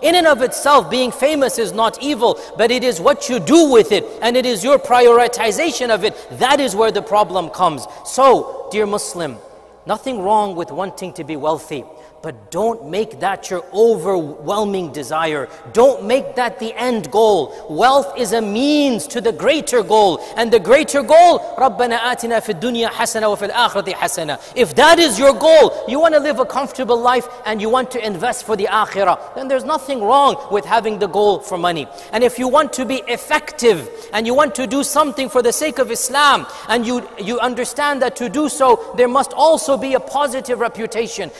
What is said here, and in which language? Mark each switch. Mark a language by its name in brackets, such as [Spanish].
[English] In and of itself, being famous is not evil, but it is what you do with it, and it is your prioritization of it. That is where the problem comes. So, dear Muslim, nothing wrong with wanting to be wealthy, but don't make that your overwhelming desire. Don't make that the end goal. Wealth is a means to the greater goal. And the greater goal, [Arabic] رَبَّنَا آتِنَا فِي الدُّنْيَا حَسَنَةً وَفِي الْآخِرَةِ حَسَنَةً. [English] If that is your goal, you want to live a comfortable life and you want to invest for the akhirah, then there's nothing wrong with having the goal for money. And if you want to be effective and you want to do something for the sake of Islam, and you understand that to do so, there must also be a positive reputation.